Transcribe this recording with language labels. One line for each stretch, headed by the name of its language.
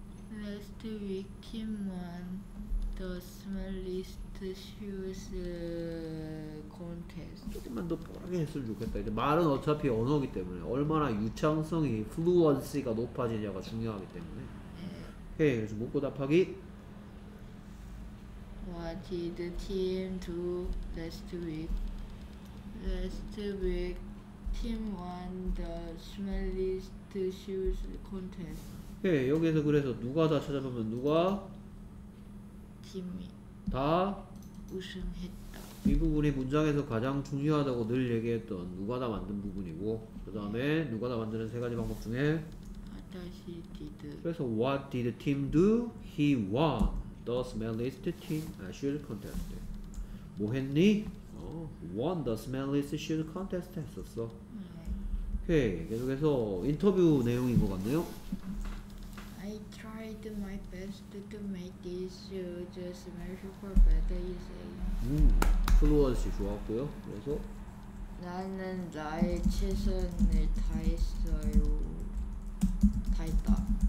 English: Last week, team won the smelliest shoes contest.
Korean: 조금만 더 뻔하게 했으면 좋겠다. 이제 말은 어차피 언어이기 때문에 얼마나 유창성이, fluency가 높아지냐가 중요하기 때문에. 네. 오케이, 그래서 묻고 답하기.
English: What did the team do last week? Last week, team won the smelliest shoes contest.
Korean: 오케이, 여기에서 그래서 누가 다 찾아보면 누가? 팀이 다 우승했다. 이 부분이 문장에서 가장 중요하다고 늘 얘기했던 누가 다 만든 부분이고, 그 다음에 누가 다 만드는 세 가지 방법 중에 다시 did. 그래서
English: what did the team do? He won the smelliest team shoot contest.
Korean: 뭐 했니?
English: Won the smelliest shoot contest
Korean: 했었어. 네. 오케이, 계속해서 인터뷰 내용인 것 같네요.
English: I tried my best to make these shoes smell super bad, you say.
Korean: 플루언시 좋았고요. 그래서 나는 나의 최선을 다했어요. 다했다.